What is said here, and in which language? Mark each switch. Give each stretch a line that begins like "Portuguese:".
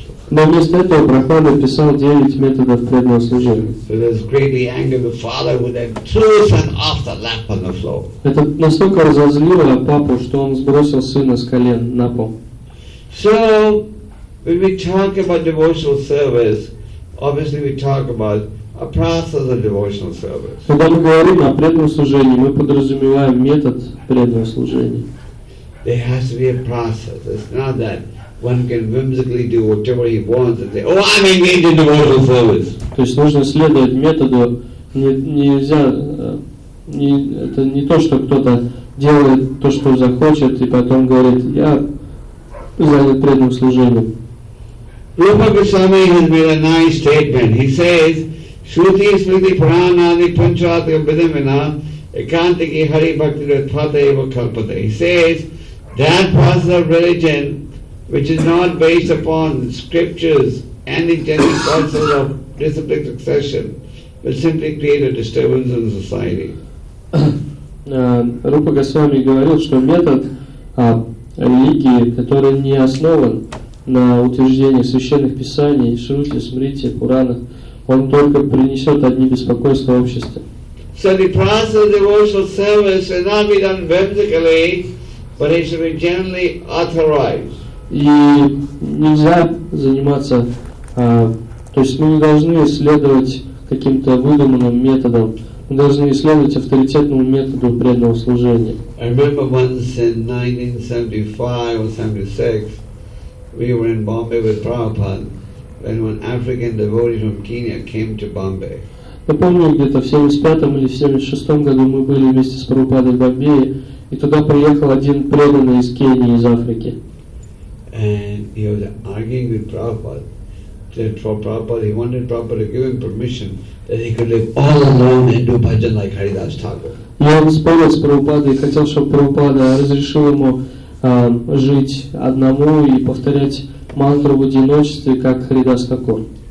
Russian: Но вместо этого Прохлад написал 9 методов преданного служения. Это настолько разозлило папу, что он сбросил сына с колен на пол.
English: So, when we talk about devotional service, obviously we talk about a process of devotional service.
Russian: Когда мы говорим о преданном служении, мы подразумеваем метод преданного служения.
English: There has to be a process. It's not that one can whimsically do whatever he wants and say, "Oh, I'm engaged in devotional service."
Russian: То есть нужно следовать методу. Нельзя, это не то, что кто-то делает то, что захочет, и потом говорит, "Я занят преданным служением."
English: Rupa Goswami has made a nice statement. He says,
Sanskrit: Shruti Smriti Puranadi Panchatya Vidhamina Ekantiki Hari Bhakti Rathpata Eva Kalpata.
English: He says, that process of religion which is not based upon scriptures and the general process of disciplic succession will simply create a disturbance in society.
Russian: Rupa Goswami говорил, что метод религии, который не основан на утверждение священных писаний, Шрути, Смрити, Пурана, он только принесет одни беспокойства обществу.
English: So the process of devotional service should not be done whimsically, but it should be generally authorized.
Russian: И нельзя заниматься, то есть мы не должны следовать каким-то выдуманным методам, мы должны следовать авторитетному методу преданного служения.
English: I remember once in 1975 or 76, we were in Bombay with Prabhupada when one African devotee from Kenya came to Bombay.
Russian: Я помню, где-то в 75-м или в 76-м году мы были вместе с Прабхупадой в Бомбее, и туда приехал один преданный из Кении, из Африки.
English: And he was arguing with Prabhupada that for Prabhupada, he wanted Prabhupada to give him permission that he could live all alone and do bhajan like Haridas Thakur.
Russian: И он спорил с Прабхупадой и хотел, чтобы Прабхупада разрешил ему жить одному и повторять мантру в одиночестве, как Харидас Такур.